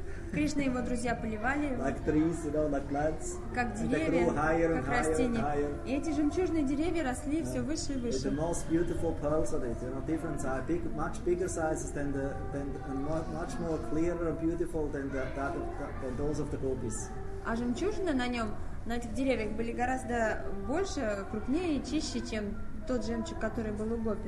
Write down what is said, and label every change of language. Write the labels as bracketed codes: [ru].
[ru] Кришна и его друзья поливали его, [en] like trees, you know, like plants, [ru] как деревья, [en] higher, [ru] как растения. И эти жемчужные деревья росли все выше и выше. [en] The most beautiful pearls of it, you know, different size, big, much bigger sizes than the than and much more clearer, beautiful than those of the gopis. [ru] А жемчужины на нем, на этих деревьях были гораздо больше, крупнее и чище, чем тот жемчуг, который был у гопи.